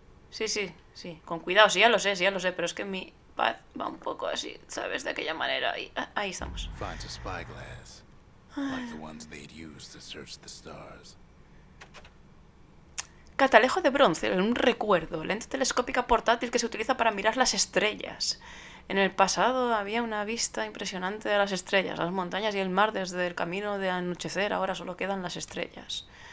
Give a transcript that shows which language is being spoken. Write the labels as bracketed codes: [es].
[es] Sí, sí, sí. Con cuidado, sí, ya lo sé, sí, ya lo sé. Pero es que mi paz va un poco así, ¿sabes? De aquella manera. Y, ahí estamos. [en] Finds a spyglass, like the ones they'd use to search the stars. [es] Catalejo de bronce, un recuerdo, lente telescópica portátil que se utiliza para mirar las estrellas. En el pasado había una vista impresionante de las estrellas, las montañas y el mar desde el camino de anochecer, ahora solo quedan las estrellas.